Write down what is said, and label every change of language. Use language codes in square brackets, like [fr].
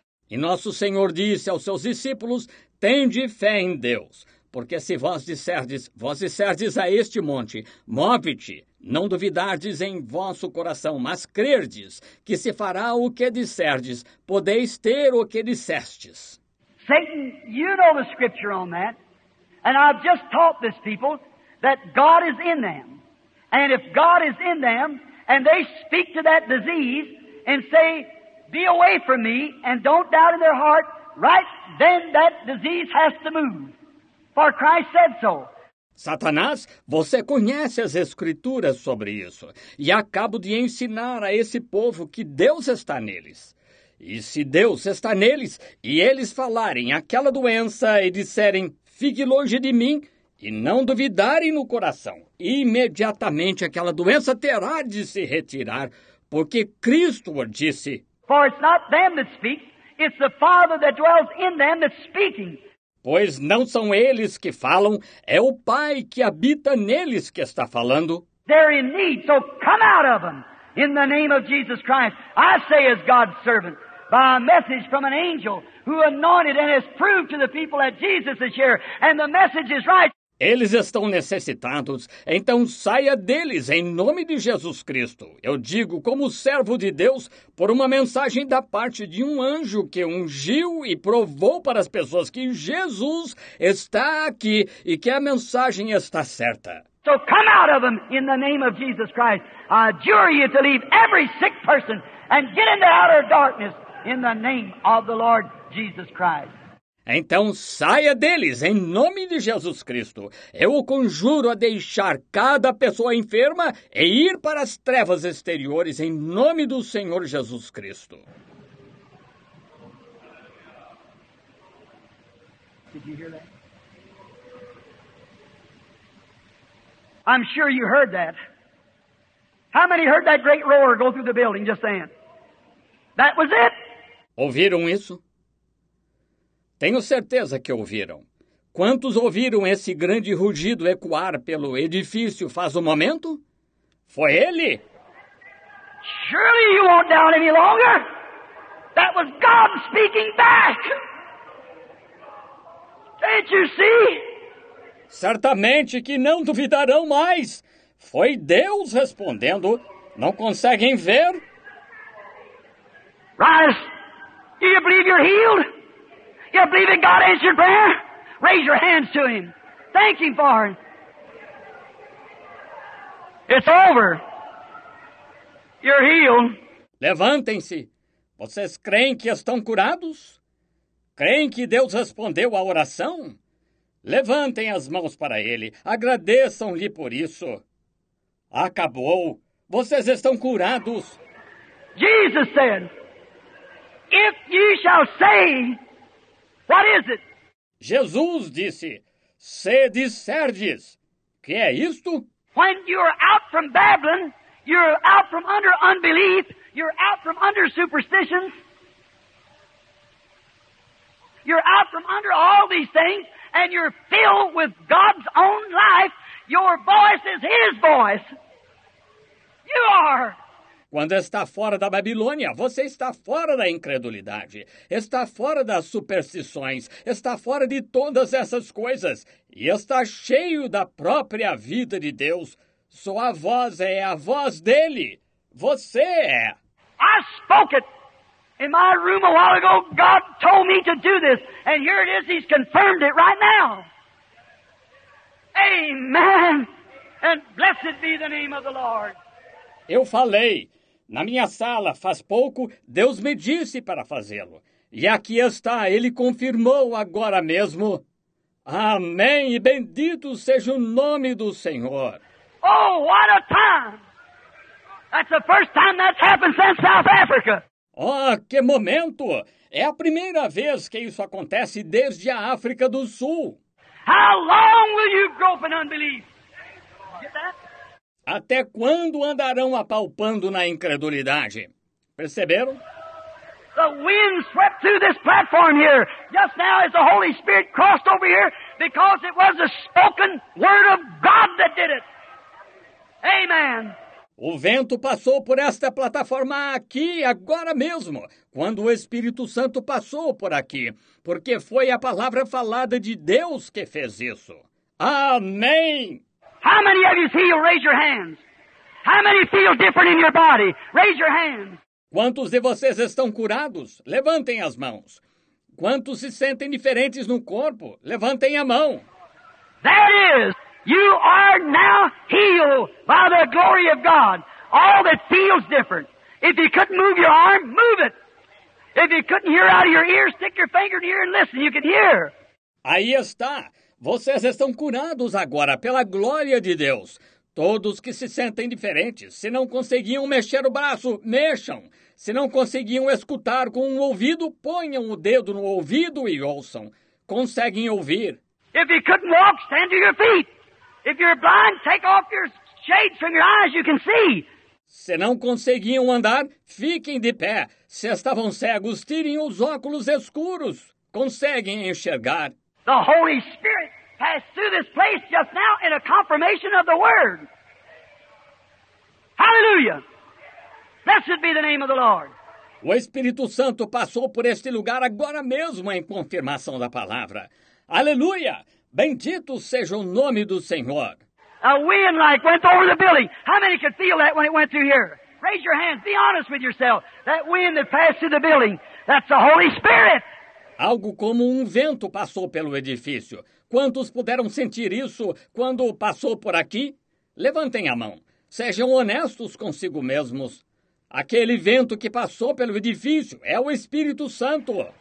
[pt] E nosso Senhor disse aos seus discípulos, tende fé em Deus, porque se vós disserdes a este monte, move-te, não duvidardes em vosso coração, mas crerdes que se fará o que disserdes, podeis ter o que dissestes. [en] Satan, you know the scripture on that, and I've just taught this people that God is in them, and if God is in them, and they speak to that disease and say, be away from me, and don't doubt in their heart, right then that disease has to move. For Christ said so. [pt] Satanás, você conhece as escrituras sobre isso, e acabo de ensinar a esse povo que Deus está neles. E se Deus está neles, e eles falarem aquela doença e disserem, fique longe de mim, e não duvidarem no coração, imediatamente aquela doença terá de se retirar, porque Cristo disse... [en] For it's not them that speak, it's the Father that dwells in them that's speaking. [pt] Pois não são eles que falam, é o Pai que habita neles que está falando. [en] They're in need, so come out of them, in the name of Jesus Christ. I say as God's servant, by a message from an angel who anointed and has proved to the people that Jesus is here, and the message is right. [pt] Eles estão necessitados, então saia deles em nome de Jesus Cristo. Eu digo como servo de Deus por uma mensagem da parte de um anjo que ungiu e provou para as pessoas que Jesus está aqui e que a mensagem está certa. [en] So come out of them in the name of Jesus Christ. I adjure you to leave every sick person and get into outer darkness in the name of the Lord Jesus Christ. [pt] Então saia deles, em nome de Jesus Cristo. Eu o conjuro a deixar cada pessoa enferma e ir para as trevas exteriores, em nome do Senhor Jesus Cristo. [en] Did you hear that? I'm sure you heard that. How many heard that great roar go through the building just then? That was it. [pt] Ouviram isso? Tenho certeza que ouviram. Quantos ouviram esse grande rugido ecoar pelo edifício faz um momento? Foi ele? [en] Surely you won't doubt any longer. That was God speaking back. Can't you see? [pt] Certamente que não duvidarão mais. Foi Deus respondendo. Não conseguem ver? [en] Rise. Do you believe you're healed? You believe in God answered prayer? Raise your hands to Him. Thank Him for it. It's over. You're healed. [pt] Levantem-se. Vocês creem que estão curados? Creem que Deus respondeu à oração? Levantem as mãos para Ele. Agradeçam-lhe por isso. Acabou. Vocês estão curados. [en] Jesus said, if ye shall say, what is it? [pt] Jesus disse, se disserdes, que é isto? [en] When you're out from Babylon, you're out from under unbelief, you're out from under superstitions, you're out from under all these things, and you're filled with God's own life, your voice is His voice. You are. [pt] Quando está fora da Babilônia, você está fora da incredulidade, está fora das superstições, está fora de todas essas coisas e está cheio da própria vida de Deus. Sua voz é a voz dele. Você é. [en] I spoke it in my room a while ago. God told me to do this, and here it is. He's confirmed it right now. Amen! And blessed be the name of the Lord. [pt] Eu falei. Na minha sala, faz pouco, Deus me disse para fazê-lo. E aqui está, ele confirmou agora mesmo. Amém e bendito seja o nome do Senhor. [en] Oh, what a time! That's the first time that's happened since South Africa. [pt] Oh, que momento! É a primeira vez que isso acontece desde a África do Sul. [en] How long will you grope in unbelief? Get that? [pt] Até quando andarão apalpando na incredulidade? Perceberam? [en] The wind swept through this platform here just now as the Holy Spirit crossed over here because it was the spoken word of God that did it. Amen. [pt] O vento passou por esta plataforma aqui agora mesmo, quando o Espírito Santo passou por aqui, porque foi a palavra falada de Deus que fez isso. Amém. [en] How many of you feel? Raise your hands. How many feel different in your body? Raise your hands. [pt] Quantos de vocês estão curados? Levantem as mãos. Quantos se sentem diferentes no corpo? Levantem a mão. [en] That is, you are now healed by the glory of God. All that feels different. If you couldn't move your arm, move it. If you couldn't hear out of your ear, stick your finger in your ear and listen. You can hear. [pt] Aí está. Vocês estão curados agora pela glória de Deus. Todos que se sentem diferentes, se não conseguiam mexer o braço, mexam. Se não conseguiam escutar com um ouvido, ponham o dedo no ouvido e ouçam. Conseguem ouvir? [en] If you couldn't walk, stand to your feet. If you're blind, take off your shades from your eyes, you can see. [pt] Se não conseguiam andar, fiquem de pé. Se estavam cegos, tirem os óculos escuros. Conseguem enxergar? [en] The Holy Spirit passed through this place just now in a confirmation of the Word. Hallelujah! Blessed be the name of the Lord. [pt] O Espírito Santo passou por este lugar agora mesmo em confirmação da palavra. Aleluia! Bendito seja o nome do Senhor. [en] A wind like went over the building. How many could feel that when it went through here? Raise your hands. Be honest with yourself. That wind that passed through the building, that's the Holy Spirit. [pt] Algo como um vento passou pelo edifício. Quantos puderam sentir isso quando passou por aqui? Levantem a mão. Sejam honestos consigo mesmos. Aquele vento que passou pelo edifício é o Espírito Santo.